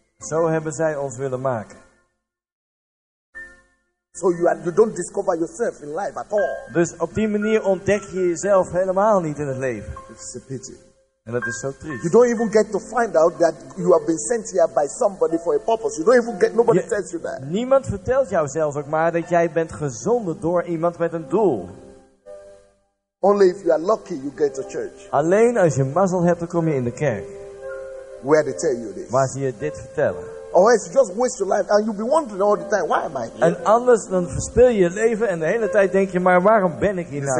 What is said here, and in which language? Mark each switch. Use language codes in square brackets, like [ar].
[nl] Zo hebben zij ons willen maken. [en] So you don't discover yourself in life at all. [nl] Dus op die manier ontdek je jezelf helemaal niet in het leven. [en] It's a pity. [nl] En dat is zo triest. [en] You don't even get to find out that you have been sent here by somebody for a purpose. You don't even get nobody tells you that. [nl] Niemand vertelt jou zelf ook maar dat jij bent gezonden door iemand met een doel. [en] Only if you are lucky you get to church. [nl] Alleen als je mazzel hebt dan kom je in de kerk. [en] Where they tell you this. [nl] Waar ze je dit vertellen. [en] Or else you just waste your life and you'll be wondering all the time, why am I here? [nl] En anders dan verspil je leven en de hele tijd denk je, maar waarom ben ik hier nou?